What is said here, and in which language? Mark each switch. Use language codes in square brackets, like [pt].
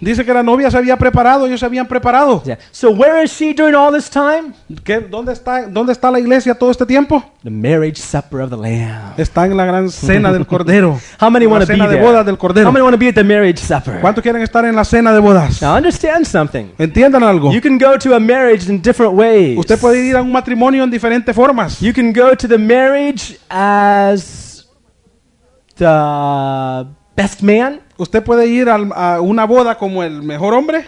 [es] Dice que la novia se había preparado, ellos se habían preparado. [en] Yeah. So where is she during all this time? [es] ¿Dónde está la iglesia todo este tiempo? [en] The marriage supper of the Lamb. [es] Está en la gran cena del Cordero. [en] How many want to be there? [es] La cena de bodas del Cordero. [en] How many want to be at the marriage supper? [es] ¿Cuántos quieren estar en la cena de bodas? [en] Now understand something. [es] Entiendan algo. [en] You can go to a marriage in different ways. [es] Usted puede ir a un matrimonio en diferentes formas. [en] You can go to the marriage as the best man. [es] Usted puede ir a una boda como el mejor hombre.